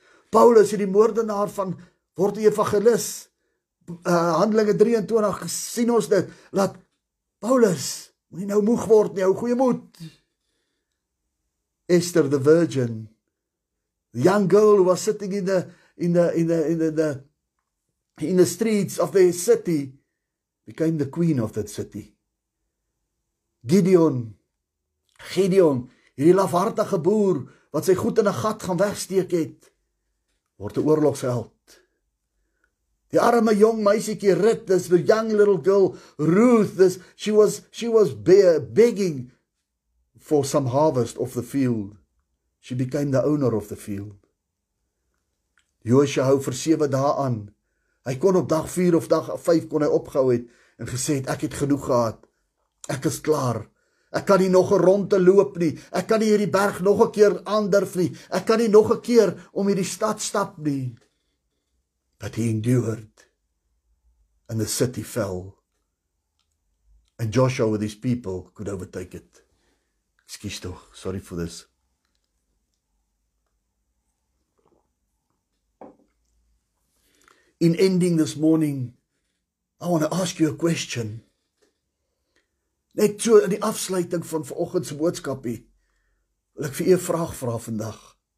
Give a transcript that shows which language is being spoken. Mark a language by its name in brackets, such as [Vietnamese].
[Afrikaans] Paulus, die moordenaar van, word die evangelis, Handelinge 23, sien ons dit, laat Paulus Moenie nou moeg word nie, hou goeie moed. [English] Esther the virgin, the young girl who was sitting in the streets of the city, became the queen of that city. [Afrikaans] Gideon, hierdie lafhartige boer wat sy goed in 'n gat gaan wegsteek het, word 'n oorlogsheld. Die arme jong meisiekie Ruth, [English] this young little girl Ruth, she was begging for some harvest of the field. She became the owner of the field. [Afrikaans] Josua hou vir 7 dae aan. Hy kon op dag 4 of dag 5 kon hy opgehou het en gesê het ek het genoeg gehad. Ek is klaar. Ek kan nie nog 'n ronde loop nie. Ek kan nie hierdie berg nog 'n keer aandurf nie. Ek kan nie nog 'n keer om hierdie stad stap nie. [English] But he endured and the city fell. And Joshua with his people could overtake it. Excuse toch, sorry for this. In ending this morning, I want to ask you a question. [Afrikaans] Net so in die afsluiting van vanoggend se boodskapie, wil ek vir u 'n vraag vra vandag.